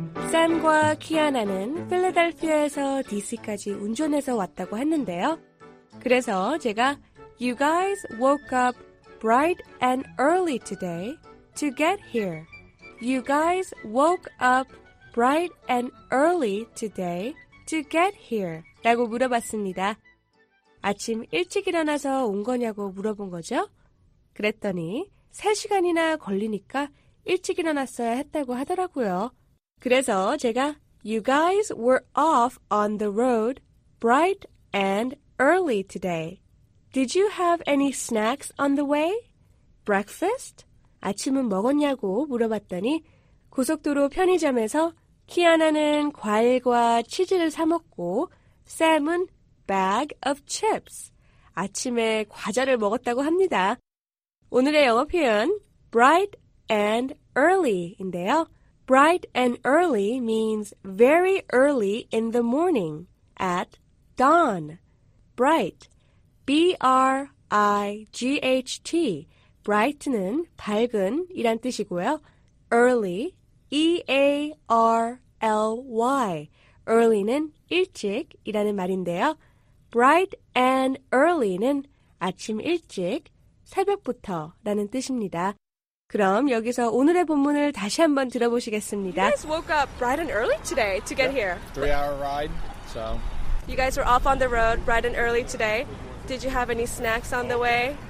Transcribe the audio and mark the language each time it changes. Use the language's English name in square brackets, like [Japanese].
[Korean] 샘과 키아나는 필라델피아에서 DC까지 운전해서 왔다고 했는데요. 그래서 제가 [English] You guys woke up bright and early today to get here. You guys woke up bright and early today to get here. [Korean] 라고 물어봤습니다. 아침 일찍 일어나서 온 거냐고 물어본 거죠. 그랬더니 3시간이나 걸리니까 일찍 일어났어야 했다고 하더라고요. 그래서 제가 [English] You guys were off on the road bright and early today. Did you have any snacks on the way? [Korean] Breakfast? 아침은 먹었냐고 물어봤더니 고속도로 편의점에서 키아나는 과일과 치즈를 사 먹고 샘은 [English] bag of chips. [Korean] 아침에 과자를 먹었다고 합니다. 오늘의 영어 표현 bright and early인데요. [English] Bright and early means very early in the morning, at dawn. [Korean] Bright, B-R-I-G-H-T, bright는 밝은이란 뜻이고요. Early, E-A-R-L-Y, early는 일찍이라는 말인데요. Bright and early는 아침 일찍, 새벽부터라는 뜻입니다. 그럼 여기서 오늘의 본문을 다시 한번 들어보시겠습니다. [English] You guys woke up bright and early today to get here. 3-hour ride, so. You guys were off on the road bright and early today. Did you have any snacks on the way?